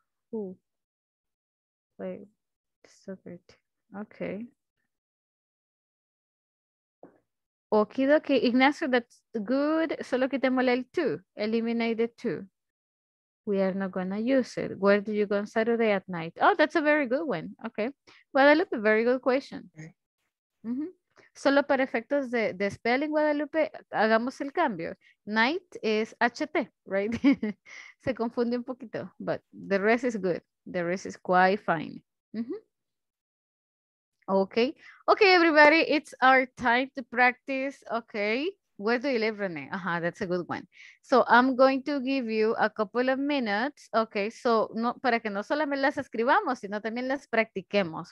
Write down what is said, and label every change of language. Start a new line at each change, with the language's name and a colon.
English: Who play the soccer team? Okay. Okie dokie, Ignacio, that's good.
Spanish: Solo quitemos el two.
English: Eliminate the two. We are not going to use it. Where do you go on Saturday at night? Oh, that's a very good one. Okay. Guadalupe, very good question. Mm-hmm.
Spanish: Solo para efectos de spelling, Guadalupe, hagamos el cambio.
English: Night is HT, right?
Spanish: Se confunde un poquito,
English: but the rest is good. The rest is quite fine. Mm-hmm. Okay. Okay, everybody, it's our time to practice. Okay. Where do you live, René? Uh-huh, that's a good one. So I'm going to give you a couple of minutes. Okay.
Spanish: So no, para que no solamente las escribamos, sino también las practiquemos.